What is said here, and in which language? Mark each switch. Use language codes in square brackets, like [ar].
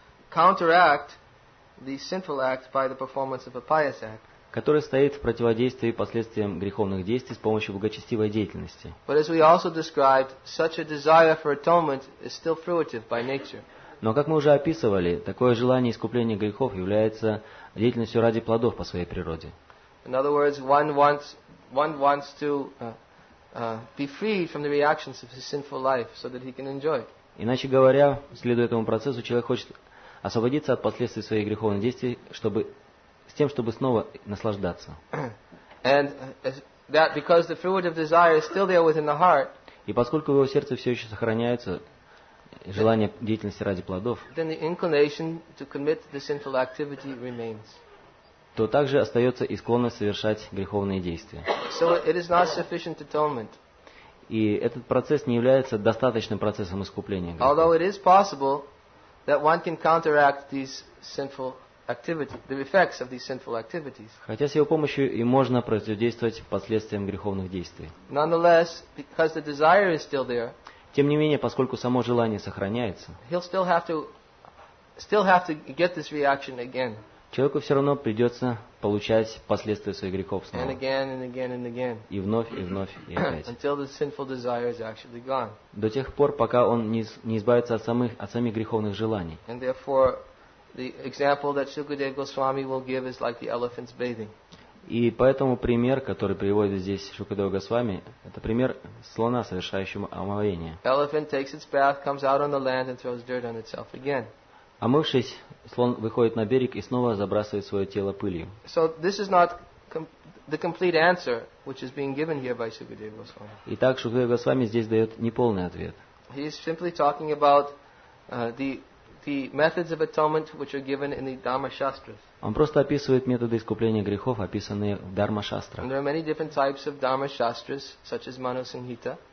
[en] counteract the sinful act by the performance of a pious act, [ru] который стоит в противодействии последствиям греховных действий с помощью благочестивой деятельности. [en] But as we also described, such a desire for atonement is still fruitive by nature. [ru] Но как мы уже описывали, такое желание искупления грехов является деятельностью ради плодов по своей природе. [en] In other words, one wants to be freed from the reactions of his sinful life so that he can enjoy it. [ru] Иначе говоря, следуя этому процессу, человек хочет освободиться от последствий своих греховных действий, чтобы снова наслаждаться. [en] And that because the fruit of desire is still there within the heart, [ru] и поскольку в его сердце все еще сохраняется желание деятельности ради плодов, [en] then the inclination to commit the sinful activity remains. [ru] То также остается и склонность совершать греховные действия. [en] So it is not sufficient atonement. [ru] И этот процесс не является достаточным процессом искупления грехов. [en] Although it is possible that one can counteract these sinful activities, the effects of these sinful activities. [ru] Хотя с его помощью и можно противодействовать последствиям греховных действий. [en] Nonetheless, because the desire is still there, [ru] тем не менее, поскольку само желание сохраняется, [en] he'll still have to get this reaction again. [ru] Человеку все равно придется получать последствия своих грехов снова. [en] And again, and again, and again. [ru] И вновь, и вновь, и опять. [en] Until the sinful desire is actually gone. [ru] До тех пор, пока он не избавится от самих греховных желаний. [en] And therefore, the example that Shukadev Goswami will give is like the elephant's bathing. [ru] И поэтому пример, который приводит здесь Шукадева Госвами, это пример слона, совершающего омовение. [en] Elephant takes its bath, comes out on the land, and throws dirt on itself again. [ru] Омывшись, слон выходит на берег и снова забрасывает свое тело пылью. [en] So this is not the complete answer which is being given here by Shukadeva Goswami. [ru] Итак, Шукадева Госвами здесь дает неполный ответ. [en] He is simply talking about the methods of atonement which are given in the Dharma Shastras. [ru] Он просто описывает методы искупления грехов, описанные в Дарма Шастрах. [en] There are many different types of Dharma Shastras, such as Manu Samhita.